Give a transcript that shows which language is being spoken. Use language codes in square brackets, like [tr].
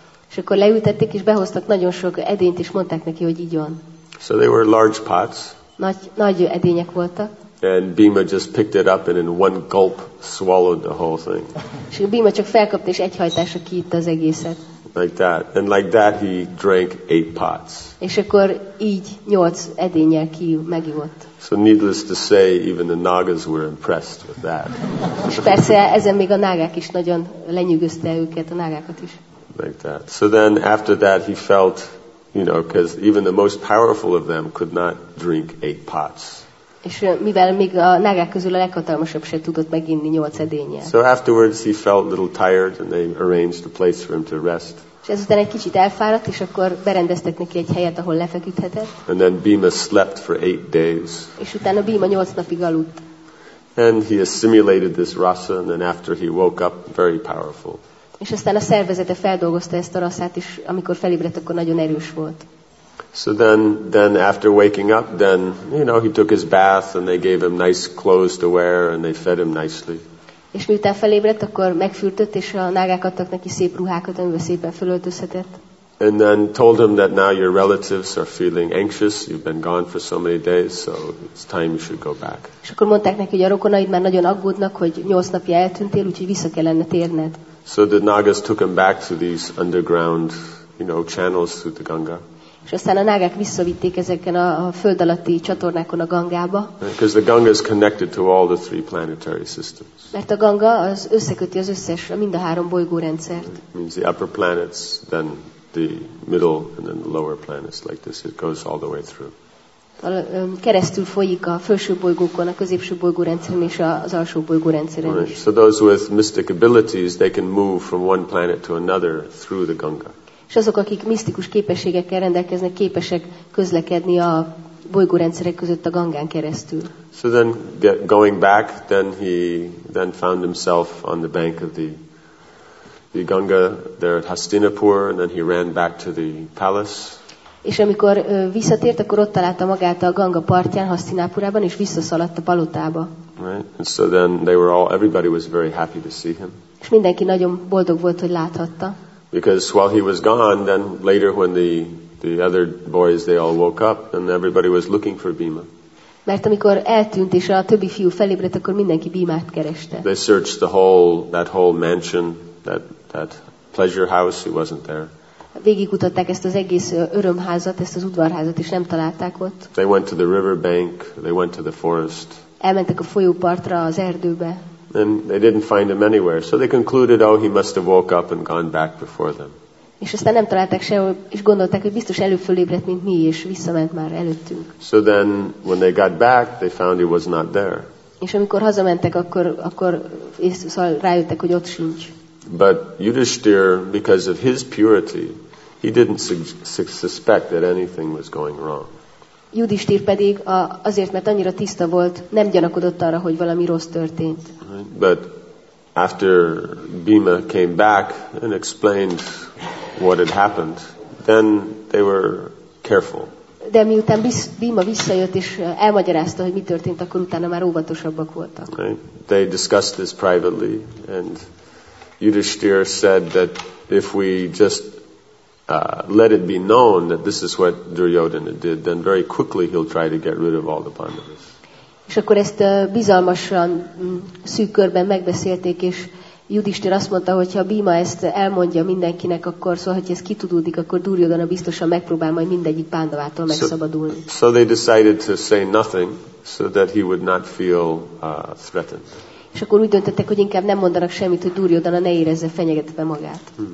[hu] És akkor leültették és behoztak nagyon sok edényt és mondták neki, hogy igyon. [en] So they were large pots. [hu] Nagy edények voltak. [en] And Bhima just picked it up and in one gulp swallowed the whole thing. [hu] És Bhima csak felkapta és egyhajtásra kiitta az egészet. [en] Like that. And like that he drank 8 pots. [hu] És akkor így 8 edénnyel megivott. [en] So needless to say, even the Nagas were impressed with that. [hu] És persze ezen még a nágák is nagyon lenyűgözte őket, a nágákat is. [en] Like that. So then after that he felt, you know, because even the most powerful of them could not drink 8 pots. [hu] És mivel még a nágák közül a leghatalmasabb se tudott meginni 8 edénnyel. [en] So afterwards he felt a little tired and they arranged a place for him to rest. [hu] És ezután egy kicsit elfáradt, és akkor berendeztek neki egy helyet, ahol lefeküdhetett. [en] And then Bhima slept for 8 days. [hu] És utána Bhima 8 napig aludt. [en] And he assimilated this rasa and then after he woke up very powerful. [hu] És aztán a szervezete feldolgozta ezt a rasszát, és amikor felébredt, akkor nagyon erős volt. [en] So then after waking up, then, you know, he took his bath, and they gave him nice clothes to wear, and they fed him nicely. [hu] És miután felébredt, akkor megfürdött, és a nágák adtak neki szép ruhákat, amivel szépen felöltözhetett. [en] And then told him that now your relatives are feeling anxious. You've been gone for so many days, so it's time you should go back. [hu] És akkor mondták neki, hogy a rokonaid már nagyon aggódnak, hogy 8 napja eltűntél, úgyhogy vissza kellene térned. [en] So the Nagas took him back to these underground, you know, channels through the Ganga. [hu] És aztán a nágák visszavitték ezeken a föld alatti csatornákon a Gangába. [en] Because the Ganga is connected to all the three planetary systems. [hu] Mert a Ganga az összeköti az összes, mind a három bolygórendszert. [en] It means the upper planets, then the middle, and then the lower planets, like this. It goes all the way through. [hu] Keresztül folyik a felső bolygókon, a középső bolygórendszeren és az alsó bolygórendszeren is. [en] So those with mystic abilities, they can move from one planet to another through the Ganga. [hu] És azok, akik misztikus képességekkel rendelkeznek, képesek közlekedni a bolygórendszerek között a Gangán keresztül. [en] So then going back, then he then found himself on the bank of the Ganga there at Hastinapur, and then he ran back to the palace. [hu] És amikor visszatért, akkor ott találta magát a Ganga partján, Hasztinápurában, és visszaszaladt a palotába. [en] Right. And so then they were all, everybody was very happy to see him. [hu] És mindenki nagyon boldog volt, hogy láthatta. [en] Because while he was gone, then later when the other boys, they all woke up, and everybody was looking for Bhima. [hu] Mert amikor eltűnt, és a többi fiú felébredt, akkor mindenki Bhimát kereste. [en] They searched the whole, that whole mansion, that pleasure house, he wasn't there. [hu] Végigkutatták ezt az egész örömházat, ezt az udvarházat, és nem találták ott. [en] They went to the river bank, they went to the forest. [hu] Elmentek a folyópartra, az erdőbe. [en] And they didn't find him anywhere, so they concluded, oh, he must have woke up and gone back before them. [hu] És aztán nem találták sehol, és gondolták, hogy biztos előbb fölébredt, mint mi, és visszament már előttünk. [en] So then, when they got back, they found he was not there. [hu] És amikor hazamentek, akkor szóval rájöttek, hogy ott sincs. [en] But Yudhishthir, because of his purity, he didn't suspect that anything was going wrong. [hu] Yudhishthir pedig azért, mert annyira tiszta volt, nem gyanakodott arra, hogy valami rossz történt. [en] But after Bhima came back and explained what had happened, then they were careful. [hu] De miután Bhima visszajött és elmagyarázta, hogy mi történt, akkor utána már óvatosabbak voltak. [en] They discussed this privately and Yudhishthir said that if we just let it be known that this is what Duryodhana did, then very quickly he'll try to get rid of all the Pandavas. [hu] És akkor ezt bizalmasan szűk körben megbeszélték, és Yudhishthir azt mondta, hogy ha Bhima ezt elmondja mindenkinek, akkor szóval, hogy ez kitudódik, akkor Duryodhana biztosan megpróbál majd mindegyik Pándavától megszabadulni. [en] So they decided to say nothing so that he would not feel threatened. [hu] És akkor úgy döntöttek, hogy inkább nem mondanak semmit, hogy Duryodhana ne érezze fenyegetve magát.